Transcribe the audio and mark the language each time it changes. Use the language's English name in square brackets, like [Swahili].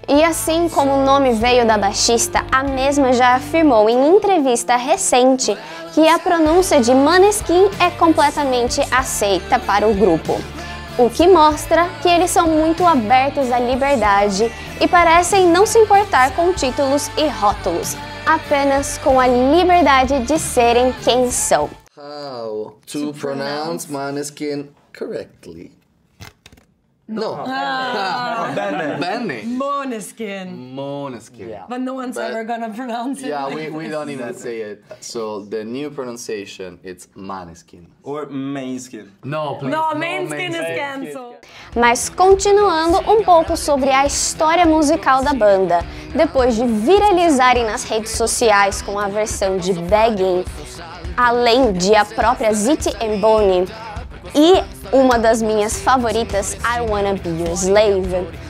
[Portuguese] Assim como o nome veio da baixista, a mesma já afirmou em entrevista recente que a pronúncia de Maneskin é completamente aceita para o grupo, o que mostra que eles são muito abertos à liberdade e parecem não se importar com títulos e rótulos, apenas com a liberdade de serem quem são. [English] How to pronounce Maneskin correctly? No. [Italian] Bene. Bene. [English] Maneskin. Maneskin. Yeah. But no one's ever gonna pronounce it. Yeah, we don't even say it. So the new pronunciation, it's Maneskin. Or Maneskin. No, please. No, Maneskin is canceled. [Portuguese] Mas continuando um pouco sobre a história musical da banda. Depois de viralizarem nas redes sociais com a versão de Begging, além de a própria Zitti e Buone, e uma das minhas favoritas, I Wanna Be Your Slave,